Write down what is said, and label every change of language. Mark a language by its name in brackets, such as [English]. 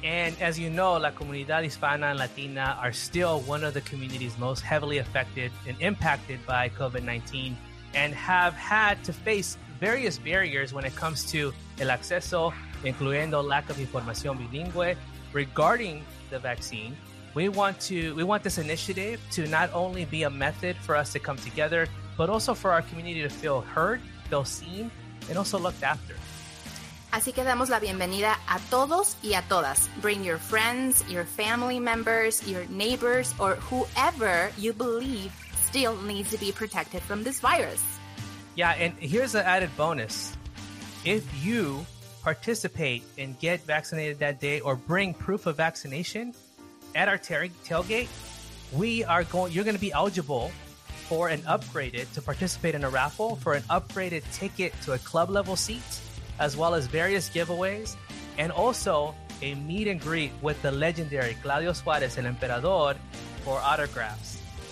[English] And as you know, [Spanish] la comunidad hispana [English] and latina are still one of the communities most heavily affected and impacted by COVID-19 and have had to face various barriers when it comes to [Spanish] el acceso, incluyendo [English] lack of [Spanish] información bilingüe [English] regarding the vaccine. We want this initiative to not only be a method for us to come together, but also for our community to feel heard, feel seen, and also looked after. [Spanish] Así que damos la bienvenida a todos y a todas. [English] Bring your friends, your family members, your neighbors, or whoever you believe still needs to be protected from this virus. Yeah, and here's an added bonus. If you participate and get vaccinated that day or bring proof of vaccination at our tailgate, you're going to be eligible for an upgraded to participate in a raffle for an upgraded ticket to a club level seat, as well as various giveaways, and also a meet and greet with the legendary Claudio Suarez, El Emperador, for autographs.